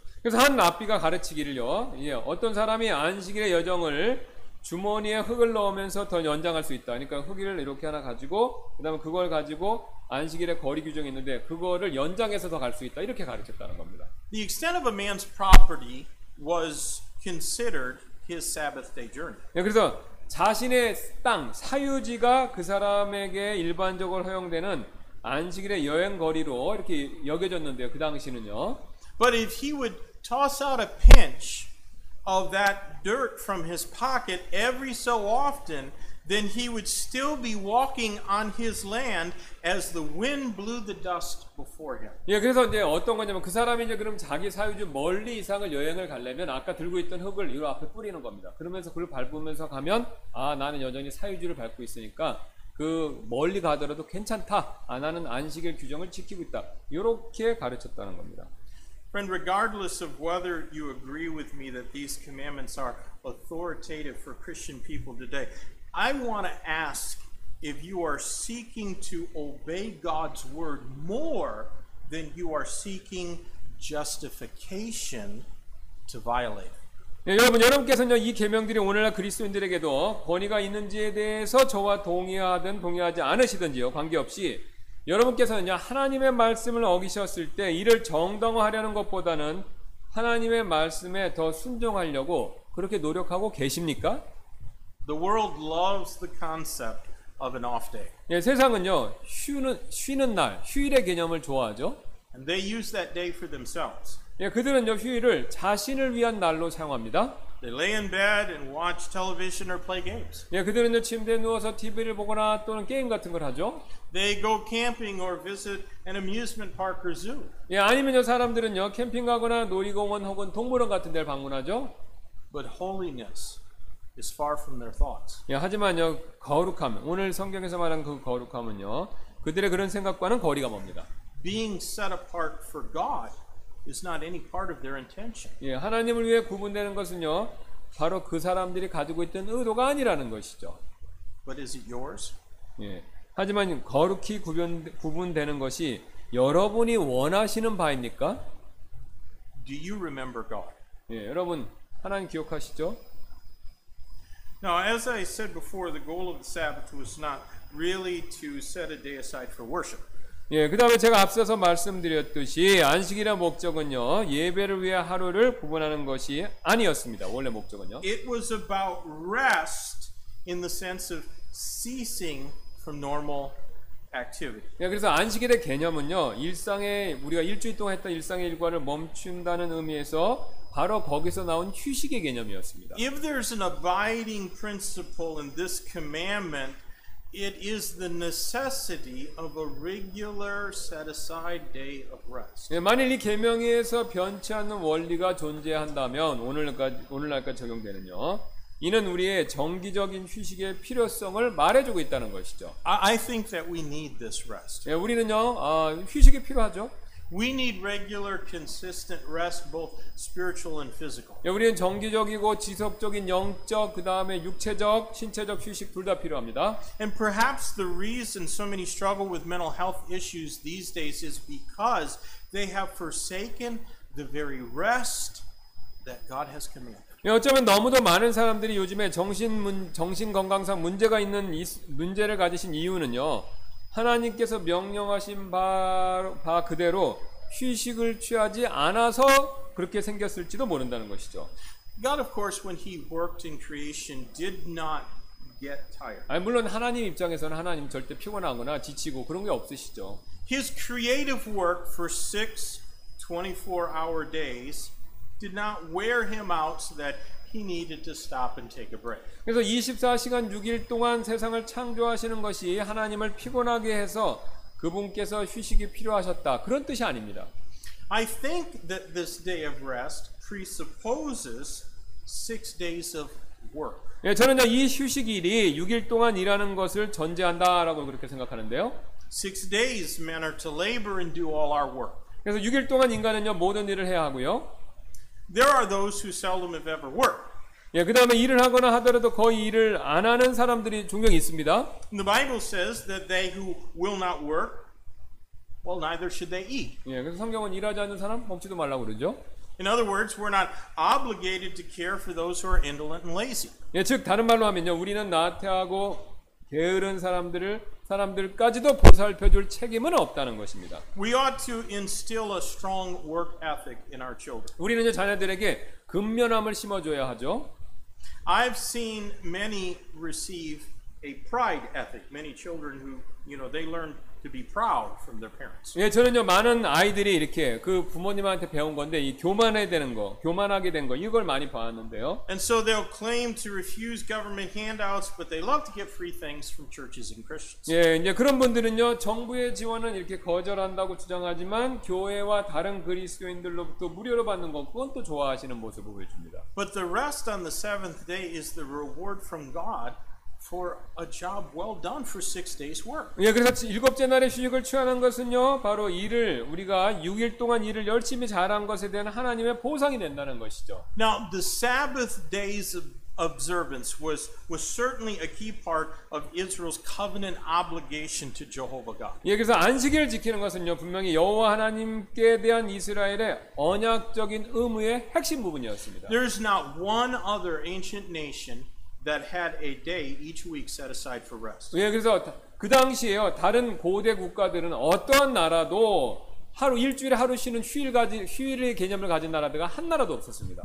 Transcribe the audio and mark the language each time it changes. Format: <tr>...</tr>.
<ko>그래서 한 랍비가 가르치기를요. 예, 어떤 사람이 안식일의 여정을 주머니에 흙을 넣으면서 더 연장할 수 있다. 그러니까 흙을 이렇게 하나 가지고 그다음에 그걸 가지고 안식일의 거리 규정이 있는데 그거를 연장해서 더 갈 수 있다. 이렇게 가르쳤다는 겁니다.</ko> <en>The extent of a man's property was considered his Sabbath day journey.</en> <ko>예, 그래서 자신의 땅 사유지가 그 사람에게 일반적으로 허용되는 안식일의 여행 거리로 이렇게 여겨졌는데요. 그 당시는요.</ko> <en>But if he would toss out a pinch of that dirt from his pocket every so often, then he would still be walking on his land as the wind blew the dust before him.</en> <ko>예, 그래서 이제 어떤 거냐면 그 사람이 이제 그럼 자기 사유지 멀리 이상을 여행을 가려면 아까 들고 있던 흙을 이 앞에 뿌리는 겁니다. 그러면서 그걸 밟으면서 가면 아 나는 여전히 사유지를 밟고 있으니까 그 멀리 가더라도 괜찮다. 아 나는 안식일 규정을 지키고 있다. 이렇게 가르쳤다는 겁니다.</ko> <en>Friend, regardless of whether you agree with me that these commandments are authoritative for Christian people today, I want to ask if you are seeking to obey God's word more than you are seeking justification to violate.</en> <ko>예, 여러분께서는요, 이 계명들이 오늘날 그리스도인들에게도 권위가 있는지에 대해서 저와 동의하든 동의하지 않으시든지요, 관계없이 여러분께서는요, 하나님의 말씀을 어기셨을 때 이를 정당화하려는 것보다는 하나님의 말씀에 더 순종하려고 그렇게 노력하고 계십니까?</ko> <en>The world loves the concept of an off day.</en> <ko>예, 세상은요, 쉬는 날, 휴일의 개념을 좋아하죠.</ko> <en>And they use that day for themselves.</en> <ko>예, 그들은요, 휴일을 자신을 위한 날로 사용합니다.</ko> <en>They lay in bed and watch television or play games.</en> <ko>예, 그들은 침대에 누워서 TV를 보거나 또는 게임 같은 걸 하죠.</ko> <en>They go camping or visit an amusement park or zoo.</en> <ko>예, 아니면요, 사람들은요, 캠핑 가거나 놀이공원 혹은 동물원 같은 데를 방문하죠.</ko> <en>But holiness is far from their thoughts.</en> <ko>예, 하지만요, 거룩함, 오늘 성경에서 말한 그 거룩함은요, 그들의 그런 생각과는 거리가 멉니다.</ko> <en>Being set apart for God is not any part of their intention.</en> <ko>예, 하나님을 위해 구분되는 것은요, 바로 그 사람들이 가지고 있던 의도가 아니라는 것이죠.</ko> <en>But is it yours?</en> <ko>예, 하지만 거룩히 구분되는 것이 여러분이 원하시는 바입니까?</ko> <en>Do you remember God?</en> <ko>예, 여러분 하나님 기억하시죠?</ko> <en>Now, as I said before, the goal of the Sabbath was not really to set a day aside for worship.</en> <ko>예, 그다음에 제가 앞서서 말씀드렸듯이 안식일의 목적은요 예배를 위해 하루를 구분하는 것이 아니었습니다. 원래 목적은요.</ko> <en>It was about rest in the sense of ceasing from normal activity.</en> <ko>예, 그래서 안식일의 개념은요 일상의 우리가 일주일 동안 했던 일상의 일과를 멈춘다는 의미에서 바로 거기서 나온 휴식의 개념이었습니다.</ko> <en>If there's an abiding principle in this commandment, it is the necessity of a regular set aside day of rest.</en> <ko>예, 만일 이 계명에서 변치 않는 원리가 존재한다면 오늘날까지 적용되는요. 이는 우리의 정기적인 휴식의 필요성을 말해주고 있다는 것이죠.</ko> <en>I think that we need this rest.</en> <ko>예, 우리는요. 휴식이 필요하죠.</ko> <en>We need regular consistent rest both spiritual and physical.</en> <ko>예, 우리는 정기적이고 지속적인 영적 그다음에 육체적 신체적 휴식 둘 다 필요합니다.</ko> <en>And perhaps the reason so many struggle with mental health issues these days is because they have forsaken the very rest that God has commanded.</en> <ko>예, 어쩌면 너무도 많은 사람들이 요즘에 정신 건강상 문제가 있는 문제를 가지신 이유는요. 하나님께서 명령하신 바 그대로 휴식을 취하지 않아서 그렇게 생겼을지도 모른다는 것이죠.</ko> <en>God, of course, when He worked in creation, did not get tired.</en> <ko>아니, 물론 하나님 입장에서는 하나님 절대 피곤하거나 지치고 그런 게 없으시죠.</ko> <en>His creative work for six 24-hour days did not wear Him out so that He needed to stop and take a break.</en> <ko>그래서 24시간 6일 동안 세상을 창조하시는 것이 하나님을 피곤하게 해서 그분께서 휴식이 필요하셨다. 그런 뜻이 아닙니다.</ko> <en>I think that this day of rest presupposes 6 days of work.</en> <ko>예, 저는 이 휴식일이 6일 동안 일하는 것을 전제한다라고 그렇게 생각하는데요.</ko> <en>6 days men are to labor and do all our work.</en> <ko>그래서 6일 동안 인간은요 모든 일을 해야 하고요.</ko> <en>There are those who seldom have ever worked.</en> <ko>예, 그다음에 일을 하거나 하더라도 거의 일을 안 하는 사람들이 종종 있습니다.</ko> <en>The Bible says that they who will not work, well, neither should they eat.</en> <ko>예, 그래서 성경은 일하지 않는 사람 먹지도 말라고 그러죠.</ko> <en>In other words, we're not obligated to care for those who are indolent and lazy.</en> <ko>예, 즉 다른 말로 하면요, 우리는 나태하고 게으른 사람들까지도 보살펴줄 책임은 없다는 것입니다.</ko> <en>We ought to instill a strong work ethic in our children.</en> <ko>우리는 자녀들에게 근면함을 심어줘야 하죠.</ko> <en>I've seen many receive a pride ethic. Many children who, you know, they learn to be proud from their parents.</en> <ko>예, 저는요 많은 아이들이 이렇게 그 부모님한테 배운 건데 이 교만하게 된 거 이걸 많이 봤는데요.</ko> <en>And so they'll claim to refuse government handouts, but they love to get free things from churches and Christians.</en> <ko>예, 이제 그런 분들은요 정부의 지원은 이렇게 거절한다고 주장하지만 교회와 다른 그리스도인들로부터 무료로 받는 건 그건 또 좋아하시는 모습을 보여줍니다.</ko> <en>But the rest on the seventh day is the reward from God. For a job well done for 6 days' work.</en> <ko>예, 그래서 일곱째 날의 휴식을 취하는 것은요, 바로 일을 우리가 6일 동안 일을 열심히 잘한 것에 대한 하나님의 보상이 된다는 것이죠.</ko> <en>Now the Sabbath day's observance was certainly a key part of Israel's covenant obligation to Jehovah God.</en> <ko>예, 그래서 안식일 지키는 것은요, 분명히 여호와 하나님께 대한 이스라엘의 언약적인 의무의 핵심 부분이었습니다.</ko> <en>There's not one other ancient nation that had a day each week set aside for rest.</en> <ko>예, 그래서 그 당시에요. 다른 고대 국가들은 어떤 나라도 하루 일주일에 하루 쉬는 휴일의 개념을 가진 나라들이 한 나라도 없었습니다.</ko>